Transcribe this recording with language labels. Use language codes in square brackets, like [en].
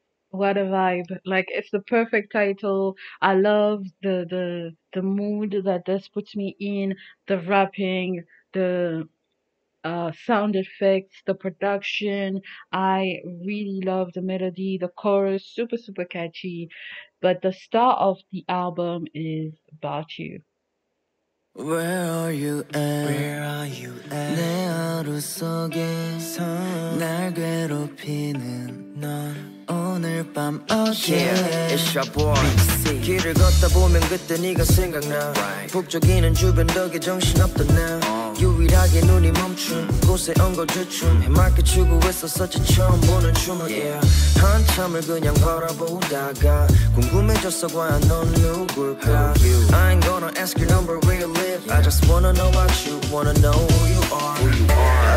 [en] What a vibe. Like, it's the perfect title. I love the mood that this puts me in, the rapping, the sound effects, the production. I really love the melody, the chorus, super super catchy. But the star of the album is About You. Where are you at? Where are you at? [ko] 내 하루 속에서 날 괴롭히는 넌 오늘 밤 어디에? [en] Yeah, it's your boy. [ko] 길을 걷다 보면 그때 네가 생각나. [en] Right. [ko] 북적이는 주변 덕에 정신 없던 나. 유일하게 눈이 멈춘 곳에 엉거주춤 해맑게 추고 있었었지 처음 보는 춤을 yeah. 한참을 그냥 바라보다가 궁금해졌어 과연 넌 누굴까. [en] I ain't gonna ask your number where you live yeah. I just wanna know what you wanna know who you are, who you are.